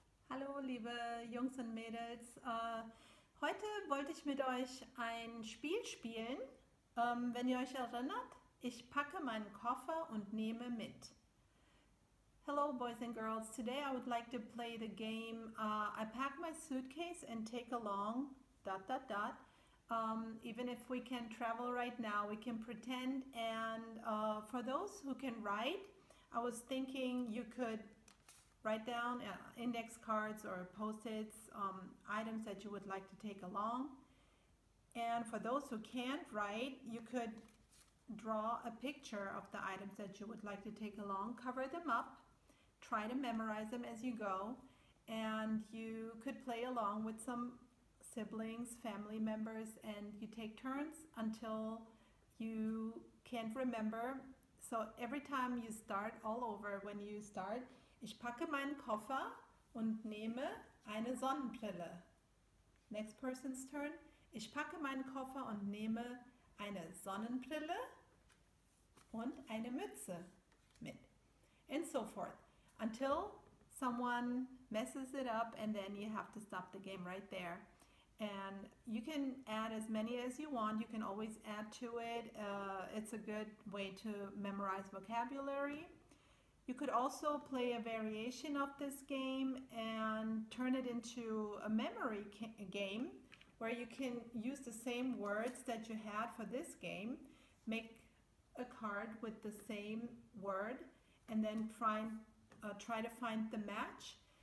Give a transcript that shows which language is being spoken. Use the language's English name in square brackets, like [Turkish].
[German] Hallo, liebe Jungs und Mädels. Heute wollte ich mit euch ein Spiel spielen. Wenn ihr euch erinnert, ich packe meinen Koffer und nehme mit. [English] Hello, boys and girls. Today I would like to play the game. I pack my suitcase and take along dot dot dot. Even if we can travel right now, we can pretend. And for those who can write, I was thinking you could write down index cards or post-its, items that you would like to take along. And for those who can't write, you could draw a picture of the items that you would like to take along, cover them up, try to memorize them as you go, and you could play along with some siblings, family members, and you take turns until you can't remember. So every time you start all over when you start, [German] ich packe meinen Koffer und nehme eine Sonnenbrille. [English] Next person's turn. [German] Ich packe meinen Koffer und nehme eine Sonnenbrille und eine Mütze mit. [English] And so forth. Until someone messes it up and then you have to stop the game right there. And you can add as many as you want. You can always add to it. It's a good way to memorize vocabulary. You could also play a variation of this game and turn it into a memory game where you can use the same words that you had for this game, make a card with the same word, and then try to find the match.